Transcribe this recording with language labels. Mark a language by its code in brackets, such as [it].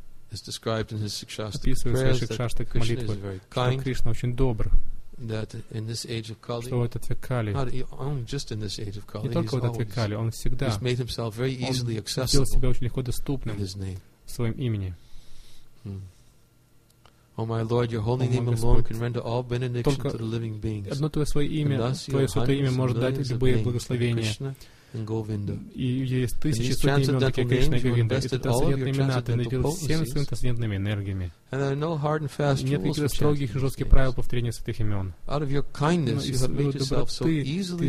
[en] Is described in his Шикшаштак prayers that Krishna is very kind. [ru] Кришна очень добр. [en] That in this age of Kali. [ru] Что в этот век Кали. [en] Not just in this age of Kali. [ru] Не только в этот век Кали. Он всегда. [en] He's made himself very easily accessible. [ru] Сделал себя очень легко доступным. Своим именем. [en] O my Lord, your holy name alone can render all benediction to the living beings. [ru] Одно твое свое имя, твое святое имя может дать любые благословения. И есть тысячи святых имен, Кришна и Говинда. И это святые имена, ты наделил всем своими трансцендентными энергиями. Нет никаких строгих и жестких правил повторения святых имен. [en] Out of your kindness, you have made yourself so easily accessible.